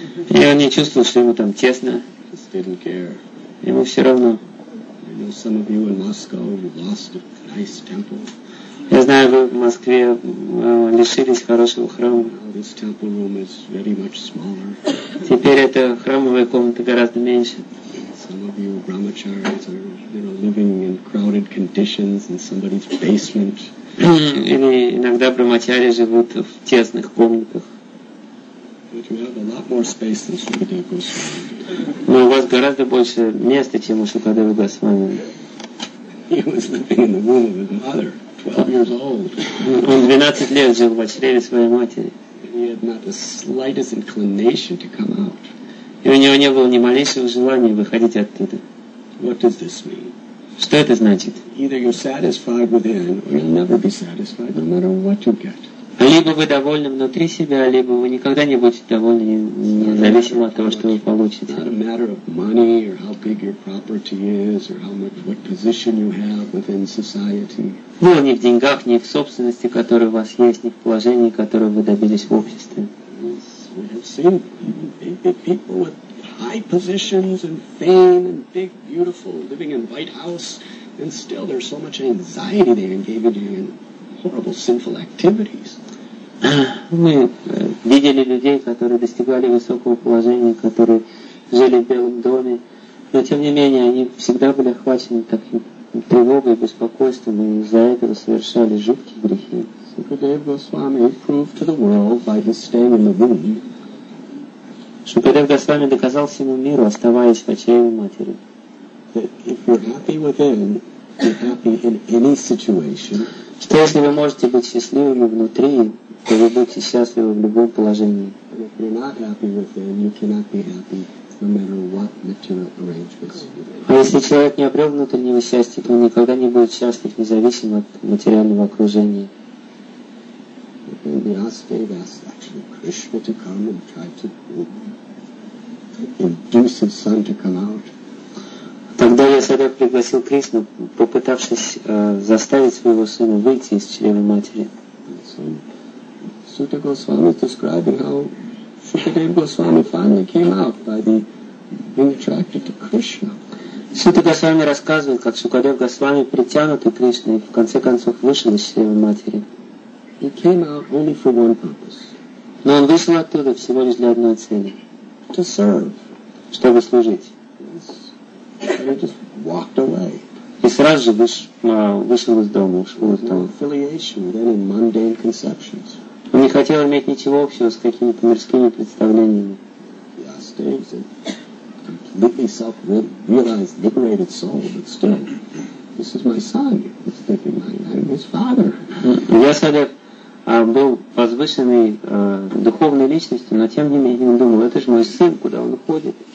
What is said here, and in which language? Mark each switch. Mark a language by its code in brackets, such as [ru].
[ru] И он не чувствовал, что ему там тесно. [en] Just didn't care. [ru] Ему все равно. [en] I know some of you in Moscow lost a nice temple. [ru] Я знаю, вы в Москве лишились хорошего храма. [en] Now this temple room is very much smaller. [ru] Теперь эта храмовая комната гораздо меньше. [en] Some of you brahmacharis are, you unwanted conditions in somebody's basement. [ru] Или иногда брахмачари живут в тесных комнатах. [en] But you have a lot more space than Шукадева Госвами. [ru] Но у вас гораздо больше места, чем у Шукадева Госвами. [en] He was living in the womb of his mother, 12 years old. [ru] Он 12 лет жил в чреве своей матери. [en] And he had not the slightest inclination to come out. [ru] И у него не было ни малейшего желания выходить оттуда. [en] What does this mean? [ru] Что это значит? [en] Either you're satisfied within, or you'll never be satisfied, no matter what you get. [ru] Либо вы довольны внутри себя, либо вы никогда не будете довольны, независимо от того, что вы получите. [en] It's not a matter of money, or how big your property is, or how much, what position you have within society. [ru] Дело не в деньгах, не в собственности, которую у вас есть, не в положении, которое вы добились в обществе. [en] We have seen people with high positions and fame and big, beautiful, living in White House, and still there's so much anxiety they engage in horrible, sinful activities. [ru] Мы видели людей, которые достигали высокого положения, которые жили в Белом доме, но тем не менее они всегда были охвачены таким тревогой, беспокойством и из-за этого совершали жуткие грехи. [en] Shukadev Goswami proved to the world by his staying in the womb. [ru] Shukadev Goswami доказал всему миру, оставаясь в чреве матери. [en] That if you're happy within, you're happy in any situation. [ru] Что если вы можете быть счастливыми внутри, то вы будете счастливы в любом положении. [en] And if you're not happy within, you cannot be happy no matter what material arrangements. [ru] А если человек не обрел внутреннего счастья, то он никогда не будет счастлив, независимо от материального окружения. [en] And Vyasadeva asked actually Krishna to come and try to induce his son to come out. [ru] Тогда Ясадев пригласил Кришну, попытавшись заставить своего сына выйти из чрева матери. [en] Sutta Goswami is describing how Shukadev Goswami finally came out by being attracted to Krishna. [ru] Sutta Goswami рассказывает, как Шукадев Госвами притянутый Кришной в конце концов вышел из чрева матери. [en] He came out only for one purpose. [ru] Но он вышел оттуда всего лишь для одной цели. [en] To serve. [ru] Чтобы служить. [en] Yes. And he just walked away. [ru] И сразу же вышел из дома, ушел из дома. [en] No affiliation with any mundane conceptions. [ru] Он не хотел иметь ничего общего с какими-то мирскими представлениями. [en] Yes, Dave's a completely self-realized, liberated soul, but still. This is my son. He's thinking, I'm his father. [ru] Ясадев был возвышенной духовной личностью, но тем не менее он думал, это же мой сын, куда он уходит?